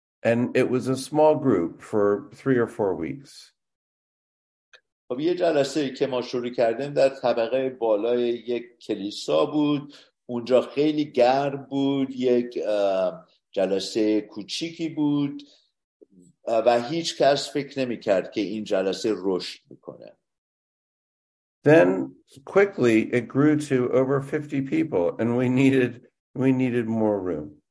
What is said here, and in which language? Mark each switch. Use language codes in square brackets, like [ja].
[en] And it was a small group for 3 or 4 weeks. [fa] خب یه جلسه که ما شروع کردیم در طبقه بالای یک کلیسا بود. اونجا خیلی گرم بود. یک جلسه کوچیکی بود و هیچ کس فکر نمی کرد که این جلسه رشد میکنه. [en] Then quickly it grew to over 50 people and we needed more room.